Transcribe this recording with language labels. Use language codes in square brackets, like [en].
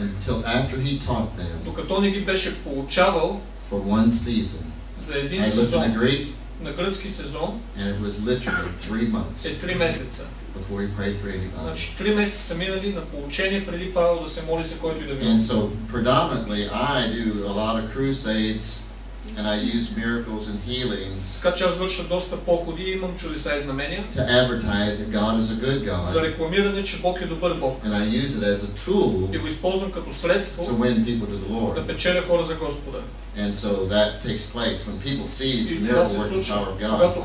[en] until after he taught them, [bg] докато не ги беше поучавал, [en] for one season. [bg] За един сезон, на гръцки сезон, [en] and it was literally 3 months, [bg] е 3 месеца. [en] Before he prayed for anybody. [bg] Значи 3 месеца са минали на поучение преди Павел да се моли за който и да било. [en] And so predominantly I do a lot of crusades and I use miracles and healings. [bg] Така че аз върша доста походи и имам чудеса и знамения. [en] To advertise that God is a good God. [bg] За рекламиране, че Бог е добър Бог. [en] And I use it as a tool. [bg] И го използвам като средство. [en] To win people to the Lord. [bg] Да печеля хора за Господа. [en] And so that takes place when people see the miracle working power of God.